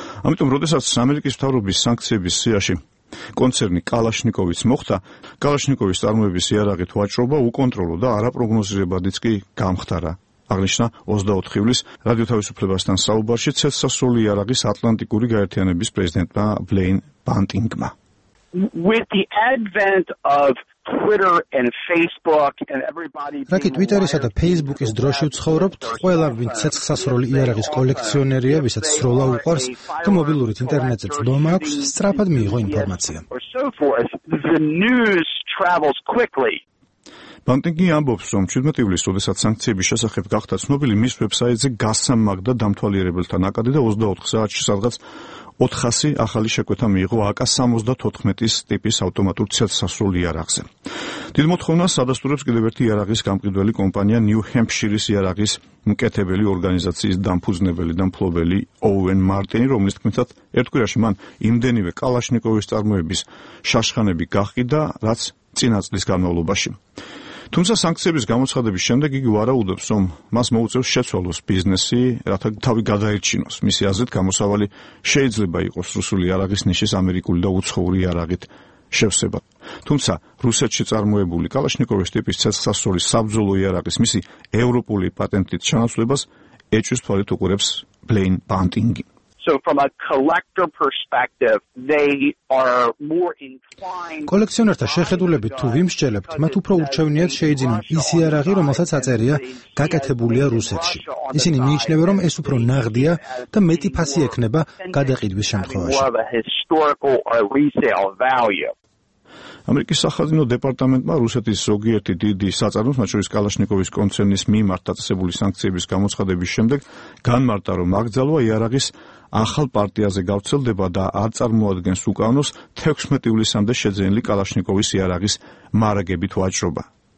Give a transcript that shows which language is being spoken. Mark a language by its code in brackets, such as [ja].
[ka] ამიტომ, როდესაც ამერიკის მთავრობის სანქციების სიაში კონცერნი კალაშნიკოვის მოხდა, კალაშნიკოვის წარმოების იარაღით ვაჭრობა უკონტროლო და არაპროგნოზირებადიც კი გამხდარა. აღნიშნა 24 ივლისს რადიო თავისუფლებასთან საუბარში ცელსასრული იარაღის ატლანტიკური გაერთიანების პრეზიდენტმა ბლეინ ბანტინგმა. [en] With the advent of Twitter and Facebook and everybody being [ka] like Twitter-ისა და Facebook-ის დროში ცხოვრობთ, ყველა ვინც ცეცხლსასროლი იარაღის კოლექციონერია, ვისაც სროლა უყვარს და მობილურით ინტერნეტზე ძლომა აქვს, სწრაფად მიიღო ინფორმაცია. [en] The news travels quickly. [ka] ბანტინგი ამბობს, რომ 17 ივლისს, როდესაც სანქციების შესახებ გახდა ცნობილი, მის ვებსაიტზე გასამაგდა დამთვალიერებელთა ნაკადი და 24 საათში სადღაც 400 ახალი შეკვეთა მიიღო AK-74-ის ტიპის ავტომატურ ცელსასრულ იარაღზე. დიდ მოთხოვნას სადასტურებს კიდევ ერთი იარაღის გამყიდველი კომპანია ნიუ ჰემპშირის იარაღის მკეთებელი ორგანიზაციის დამფუძნებელი და მფლობელი ოუენ მარტინი, რომლის თქმითაც ერთკვირაში მან იმდენივე კალაშნიკოვის წარმოების შაშხანები გაჰყიდა, რაც წინა წლის განმავლობაში. თუმცა სანქციების გამოცხადების შემდეგ იგი ვარაუდობს, რომ მას მოუწევს შეცვალოს ბიზნესი, რათა თავი გადაერჩინოს. მისი აზრით, გამოსავალი შეიძლება იყოს რუსული იარაღის ნიშის ამერიკული და უცხოური იარაღით შევსება. თუმცა რუსეთში წარმოებული კალაშნიკოვის ტიპის ცეცხლსასროლი საბრძოლო იარაღის მისი ევროპული პატენტით ჩანაცვლებას ეჭვის თვალით უყურებს ბლეინ ბანტინგი. [en] So from a collector perspective they are more inclined [ka] კოლექციონერთა შეხედულებით თუ ვიმსჯელებთ მათ უფრო ურჩევნიათ შეიძინონ ის იარაღი რომელსაც აწერია გაკეთებულია რუსეთში ისინი მიიჩნევენ რომ ეს უფრო ნაღდია და მეტი ფასი ექნება გადაყიდვის შემთხვევაში ამერიკის სახაზინო დეპარტამენტმა რუსეთის ზოგიერთი დიდი საწარმოს, მათ შორის კალაშნიკოვის კონცერნის მიმართ დაწესებული სანქციების გამოცხადების შემდეგ განმარტა, რომ აკრძალვა იარაღის ახალ პარტიაზე გავრცელდება და არ წარმოადგენს უკანონოს 16 ივლისამდე შეძენილი კალაშნიკოვის იარაღის მარაგებით ვაჭრობა.